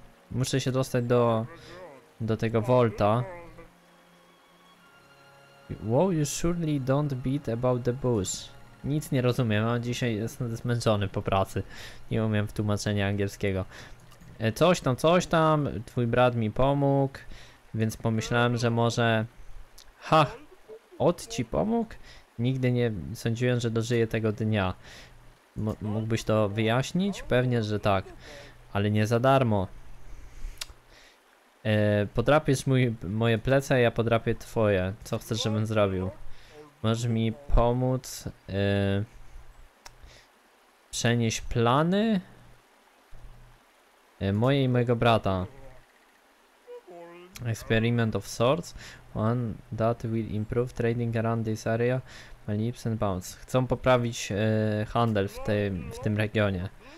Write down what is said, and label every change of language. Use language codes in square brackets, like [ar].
[pl] Muszę się dostać do tego Volta. [en] Wow, you surely don't beat about the bush. [pl] Nic nie rozumiem, a dzisiaj jestem zmęczony po pracy. Nie umiem tłumaczenia angielskiego. Coś tam, twój brat mi pomógł, więc pomyślałem, że może... Ha! Od ci pomógł? Nigdy nie sądziłem, że dożyję tego dnia. Mógłbyś to wyjaśnić? Pewnie, że tak. Ale nie za darmo. Podrapiesz moje plecy, a ja podrapię twoje. Co chcesz, żebym zrobił? Możesz mi pomóc przenieść plany moje i mojego brata. [en] Experiment of sorts. One that will improve trading around this area. My leaps and bounds. [pl] Chcą poprawić handel w tym regionie.